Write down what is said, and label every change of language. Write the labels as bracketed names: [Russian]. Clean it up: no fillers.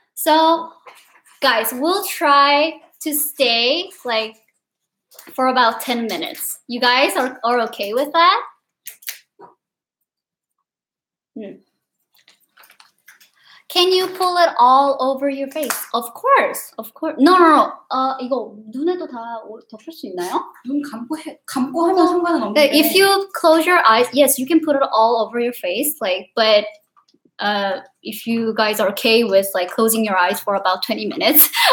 [English] So guys, we'll try to stay like for about 10 minutes. You guys are okay with that? Can you pull it all over your face? Of course. Of course. No. [Korean] 이거 눈에도 다 덮을 수 있나요? 눈 감고 하면 상관은 없는데. [English] If you close your eyes, yes, you can put it all over your face like but if you guys are okay with like closing your eyes for about 20 minutes.